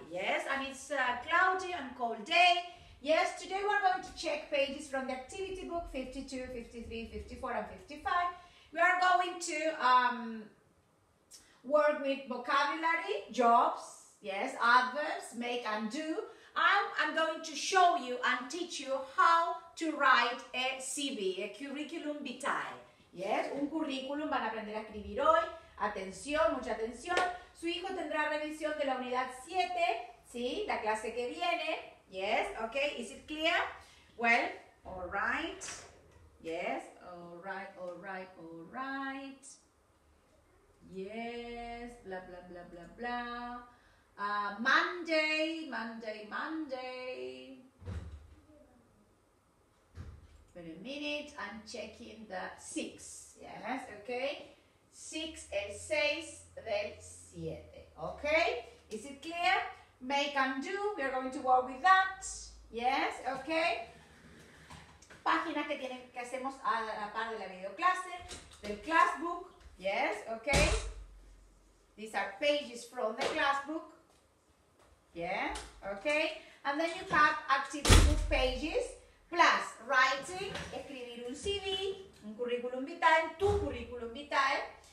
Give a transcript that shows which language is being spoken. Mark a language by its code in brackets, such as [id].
[en] Yes, and it's a cloudy and cold day. Yes, today we're going to check pages from the activity book 52, 53, 54, and 55. We are going to work with vocabulary, jobs, yes, adverbs, make and do. I'm going to show you and teach you how to write a CV, a curriculum vitae. [es] Yes, un currículum, van a aprender a escribir hoy. Atención, mucha atención. Su hijo tendrá revisión de la unidad 7, ¿sí? La clase que viene. [en] Yes, okay, is it clear? Well, all right. Yes, all right, all right, all right. Yes, blah, blah, blah, blah, blah. Monday, Monday, Monday. Wait a minute, I'm checking the 6. Yes, okay. 6, [es] el 6 del 7. [en] Okay, is it clear? Make and do, we are going to work with that. Yes, okay. [es] Páginas que tienen que hacemos a la par de la videoclase, del class book. [en] Yes, okay. These are pages from the class book. Yeah, okay. And then you have activity book pages plus writing, [es] escribir un CV, un currículum vitae, tu currículum vitae.